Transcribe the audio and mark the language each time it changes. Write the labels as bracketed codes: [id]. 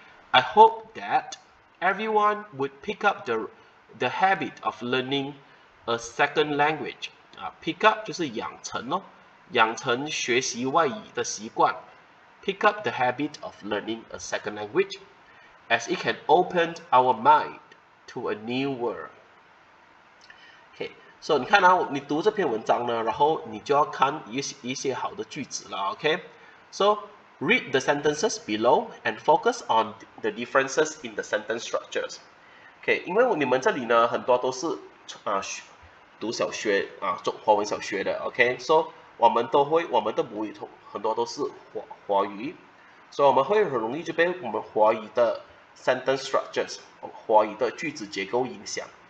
[en] I hope that everyone would pick up the habit of learning a second language. Pick up [zh] 就是养成哦，养成学习外语的习惯。 [en] Pick up the habit of learning a second language, as it can open our mind to a new world. Okay. [zh] 所以你看啊，你读这篇文章呢，然后你就要看一些好的句子了 ，OK? [en] So read the sentences below and focus on the differences in the sentence structures. [zh] OK, 因为你们这里呢很多都是读小学啊，中华文小学的 ，OK? So 我们的母语很多都是华语，所以我们会很容易就被我们华语的 sentence structures 华语的句子结构影响。